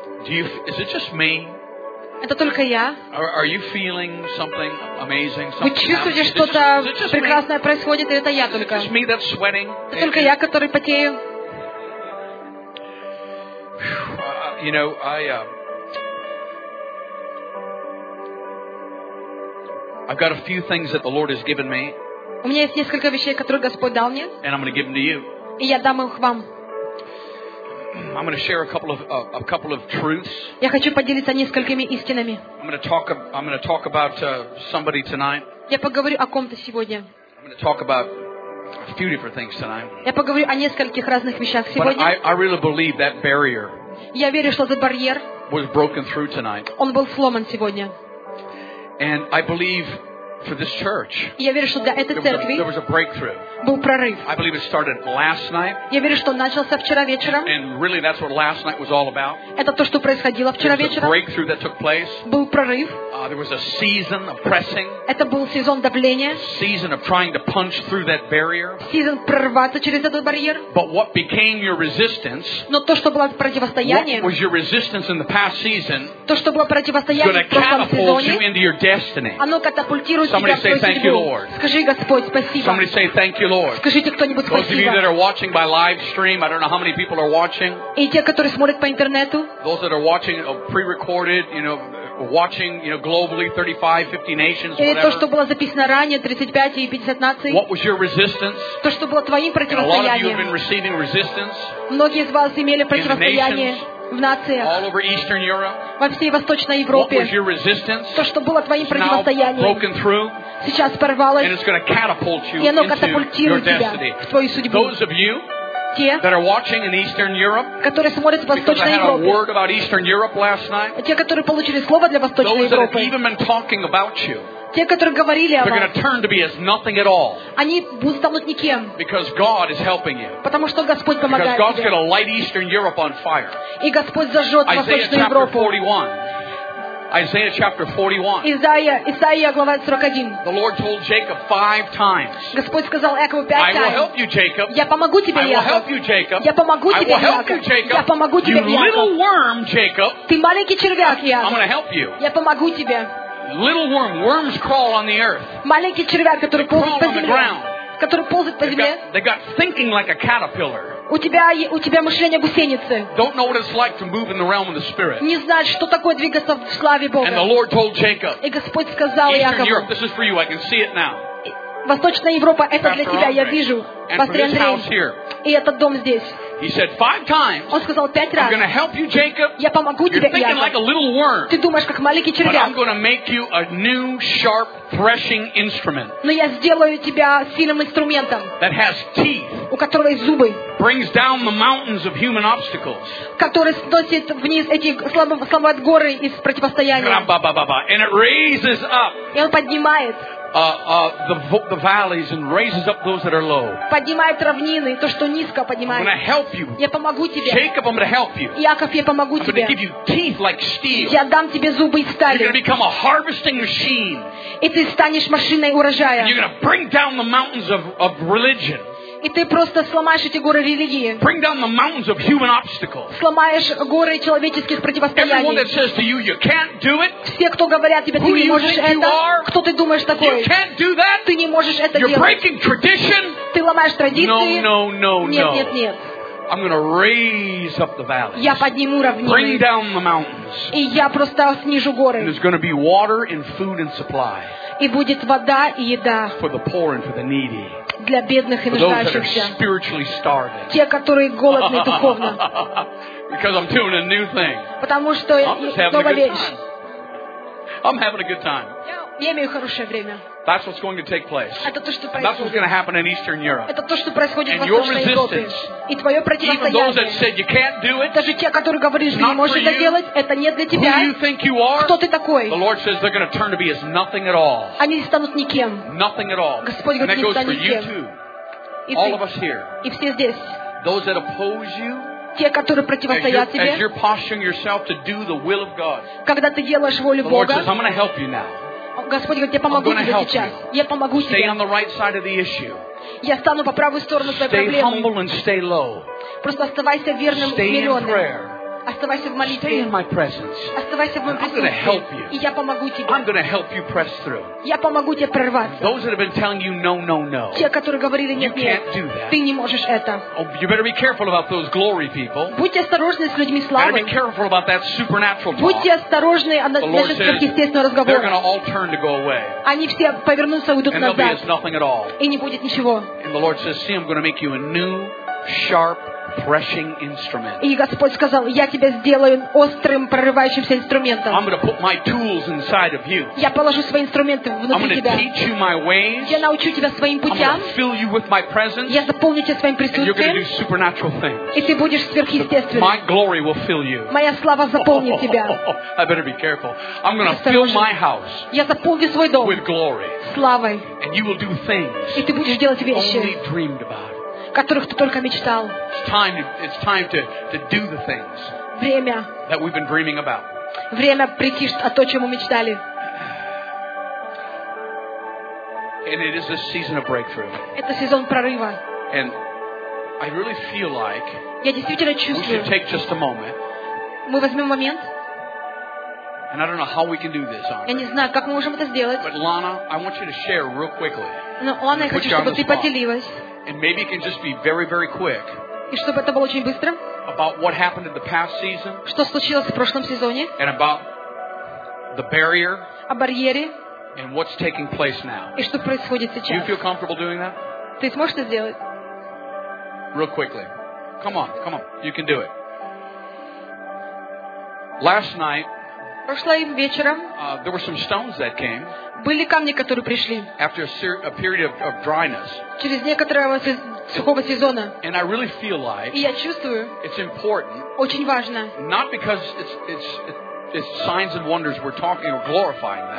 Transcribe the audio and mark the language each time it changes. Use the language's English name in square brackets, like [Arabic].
[English] Is it just me? [Russian] Это только я? [English] Are you feeling something amazing? [Russian] Вы чувствуете, что-то прекрасное происходит, и это я только? [English] Is it just me that's sweating? [Russian] Это только я, который потею? [English] You know, I've got a few things that the Lord has given me. [Russian] У меня есть несколько вещей, которые Господь дал мне. [English] And I'm going to give them to you. [Russian] И я дам их вам. [English] I'm going to share a couple of truths. [Russian] Я хочу поделиться несколькими истинами. [English] I'm going to talk about somebody tonight. [Russian] Я поговорю о ком-то сегодня. [English] I'm going to talk about a few different things tonight. [Russian] Я поговорю о нескольких разных вещах сегодня. [English] But I really believe that barrier. [Russian] Я верю, что этот барьер [English] was broken through tonight. [Russian] Он был сломан сегодня. [English] And I believe For this church, [Russian] я верю, что для этой церкви был прорыв. [English] I believe it started last night. [Russian] Я верю, что начался вчера вечером. [English] And really, that's what last night was all about. [Russian] Это то, что происходило вчера вечером. [English] There was a breakthrough that took place. [Russian] Был прорыв. [English] There was a season of pressing. [Russian] Это был сезон давления. [English] Season of trying to punch through that barrier. [Russian] Сезон прорваться через этот барьер. [English] But what became your resistance? [Russian] Но то, что было противостояние. [English] What was your resistance in the past season? [Russian] То, что было противостояние в прошлом сезоне. [English] Going to catapult you into your destiny. [Russian] Оно катапультирует. [English] Somebody say thank you, Lord. [Russian] Скажи, Господь, спасибо. [English] Somebody say thank you, Lord. [Russian] Скажите кто-нибудь спасибо. [English] Those of you that are watching by live stream, I don't know how many people are watching. [Russian] И те, которые смотрят по интернету. [English] Those that are watching pre-recorded, you know, watching, you know, globally, 35, 50 nations, whatever. [Russian] И то, что было записано ранее, 35 и 50 наций. [English] What was your resistance? [Russian] То, что было твоим противостоянием. [English] And a lot of you have been receiving resistance. [Russian] Многие из вас имели противостояние. В нациях, [English] all over Eastern Europe. [Russian] Во всей Восточной Европе. [English] What was your resistance? [Russian] То, что было твоим противостоянием. [English] Broken through. [Russian] Сейчас порвалось. [English] And it's going to catapult you into your destiny. Those of you that are watching in Eastern Europe, [Russian] которые смотрят в Восточной Европе, [English] because I had a word about Eastern Europe last night. [Russian] Те, которые получили слово для Восточной Европы. [English] Those that have even been talking about you. [Russian] Те, которые говорили о вас, [English] they're going to turn to be as nothing at all. [Russian] Они станут никем. [English] Because God is helping you. [Russian] Потому что Господь помогает. [English] Because God's going to light Eastern Europe on fire. [Russian] И Господь зажжет Восточную Европу. [English] Isaiah chapter 41. Isaiah chapter 41. [Russian] Исаия глава 41. [English] The Lord told Jacob five times. [Russian] Господь сказал Якову пять раз. [English] I will help you, Jacob. [Russian] Я помогу тебе, Яков. [English] I will help you, Jacob. [Russian] Я помогу тебе, Яков. [English] I will help you, Jacob. [Russian] Я помогу тебе, Яков. [English] You little worm, Jacob. [Russian] Ты маленький червяк, Яков. [English] I'm going to help you. [Russian] Я помогу тебе. [English] Little worm, worms crawl on the earth. [Russian] Маленький червяк, который ползает по земле. Который ползает по земле. [English] They got thinking like a caterpillar. [Russian] У тебя мышление гусеницы. [English] Don't know what it's like to move in the realm of the spirit. [Russian] Не знать, что такое двигаться в славе Бога. [English] And the Lord told Jacob. [Russian] И Господь сказал Якову. [English] Eastern Europe, this is for you. I can see it now. [Russian] Восточная Европа, это для тебя. Я вижу. [English] And from this house here. [Russian] И этот дом здесь. [English] He said five times. [Russian] Он сказал пять раз. [English] I'm going to help you, Jacob. [Russian] Я помогу тебе, Яков. [English] You're thinking like a little worm. [Russian] Ты думаешь как маленький червяк. [English] But I'm going to make you a new, sharp threshing instrument. [Russian] Но я сделаю тебя сильным инструментом. [English] That has teeth. [Russian] У которого есть зубы. [English] Brings down the mountains of human obstacles. [Russian] Который сносит вниз эти сломают горы из противостояния. [English] Ба-ба-ба-ба. And it raises up. [Russian] И он поднимает. [English] The valleys and raises up those that are low. [Russian] Поднимает равнины, то что низко поднимает. [English] I'm going to help you. [Russian] Я помогу тебе. [English] Jacob, I'm going to help you. [Russian] Яков, я помогу тебе. [English] I'm going to give you teeth like steel. [Russian] Я дам тебе зубы из стали. [English] You're going to become a harvesting machine. [Russian] И ты станешь машиной урожая. [English] And you're going to bring down the mountains of religion. [Russian] И ты просто сломаешь эти горы религии. [English] Bring down the mountains of human obstacles. [Russian] Сломаешь горы человеческих противостояний. [English] Everyone that says to you, you can't do it. [Russian] Все, кто говорят тебе, ты не можешь это. Кто ты думаешь такой? [English] You can't do that. [Russian] Ты не можешь это делать. [English] You're breaking tradition. [Russian] Ты ломаешь традиции. [English] No, no, no, no. [Russian] Нет, нет, нет. [English] I'm going to raise up the valleys. [Russian] Я подниму равнины. [English] Bring down the mountains. [Russian] И я просто снижу горы. [English] And there's going to be water and food and supply. [Russian] И будет вода и еда. [English] For the poor and for the needy. [Russian] Для бедных и нуждающихся. Те, которые голодны духовно. [English] Because I'm doing a new thing. [Russian] Потому что я новая вещь. [English] I'm having a good time. [Russian] Я имею хорошее время. [English] That's what's going to take place. [Russian] Это то, что происходит. [English] That's what's going to happen in Eastern Europe. [Russian] Это то, что происходит [English] and your resistance, [Russian] и твое противостояние. [English] Even those that said you can't do it, [Russian] даже те, которые говорили, что не можешь это делать, это не для тебя. [English] Who you think you are? [Russian] Кто ты такой? [English] The Lord says they're going to turn to be as nothing at all. [Russian] Они станут никем. [English] Nothing at all. [Russian] Господь говорит, [English] and that goes for [Russian] никем. [English] You too. [Russian] И [English] all [Russian] ты, [English] of us here. [Russian] И все здесь. [English] Those that oppose you. [Russian] Те, которые противостоят тебе. [English] As you're posturing yourself to do the will of God. [Russian] Когда ты делаешь волю Бога. [English] The Lord says, I'm going to help you now. [Russian] Господь говорит, я помогу тебе сейчас. Я помогу тебе. [English] Stay on the right side of the issue. [Russian] Я стану по правую сторону своей проблемы. [English] Stay humble and stay low. [Russian] Просто оставайся верным и смиренным. Оставайся в молитве. [English] Stay in my presence. [Russian] Оставайся в моем присутствии. [English] I'm going to help you. [Russian] И я помогу тебе. [English] I'm going to help you press through. [Russian] Я помогу тебе прорваться. [English] Those that have been telling you no, no, no. [Russian] Те, которые говорили нет, нет. [English] You can't do that. [Russian] Ты не можешь это. [English] Oh, you better be careful about those glory people. [Russian] Будьте осторожны с людьми славы. [English] Better be careful about that supernatural talk. [Russian] Будьте осторожны относительно сверхъестественного разговора. [English] They're going to all turn to go away. [Russian] Они все повернутся и уйдут назад. [English] And there'll be nothing at all. [Russian] И не будет ничего. [English] And the Lord says, see, I'm going to make you a new, sharp, threshing instrument. [Russian] И Господь сказал: Я тебя сделаю острым прорывающимся инструментом. [English] I'm going to put my tools inside of you. [Russian] Я положу свои инструменты внутри тебя. [English] I'm going to teach you my ways. [Russian] Я научу тебя своим путям. [English] I'm going to fill you with my presence. [Russian] Я заполню тебя своим присутствием. [English] And you're going to do supernatural things. [Russian] И ты будешь сверхъестественным. [English] My glory will fill you. [Russian] Моя слава заполнит тебя. [English] I better be careful. I'm going to fill my house. [Russian] Я заполню свой дом. [English] With glory. [Russian] Славой. [English] And you will do things. [Russian] И ты будешь делать вещи. [English] Only dreamed about. [Russian] Которых ты только мечтал. [English] It's time to do the things [Russian] время, [English] that we've been dreaming about. [Russian] Время прийти о том, чему мечтали. [English] And it is a season of breakthrough. [Russian] Это сезон прорыва. [English] And I really feel like [Russian] я действительно чувствую, [English] we should take just a moment. [Russian] Мы возьмем момент. [English] And I don't know how we can do this, [Russian] я не знаю, как мы можем это сделать. [English] But Lana, I want you to share real quickly. [Russian] Но, Лана, я хочу, чтобы ты поделилась. [English] And maybe it can just be very, very quick. [Russian] И чтобы это было очень быстро. [English] About what happened in the past season. [Russian] Что случилось в прошлом сезоне. [English] And about the barrier. [Russian] О барьере. [English] And what's taking place now. [Russian] И что происходит сейчас. [English] Do you feel comfortable doing that? [Russian] Ты сможешь это сделать? [English] Real quickly. Come on. You can do it. Last night. [Russian] Прошлым вечером. [English] There were some stones that came. [Russian] Были камни, которые пришли. [English] After a period of dryness. [Russian] Через некоторое сухого сезона. [English] And I really feel like. [Russian] И я чувствую. [English] It's important. [Russian] Очень важно. [English] Not because it's signs and wonders we're talking or glorifying that.